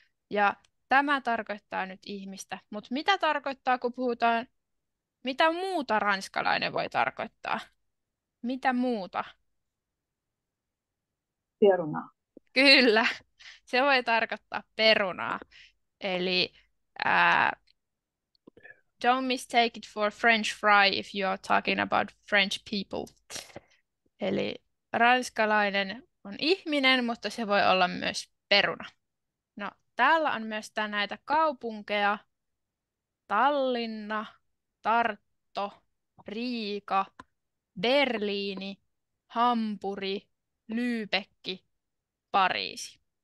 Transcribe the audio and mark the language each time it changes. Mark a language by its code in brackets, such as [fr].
[fi] Ja tämä tarkoittaa nyt ihmistä. Mutta mitä tarkoittaa, kun puhutaan, mitä muuta ranskalainen voi tarkoittaa? Mitä muuta? Peruna. Kyllä, se voi tarkoittaa perunaa. Eli [en] don't mistake it for French fry if you are talking about French people. [fi] Eli ranskalainen on ihminen, mutta se voi olla myös peruna. No, täällä on myös näitä kaupunkeja. Tallinna, Tartu, Riika, Berliini, Hampuri, Lübeck, Pariisi.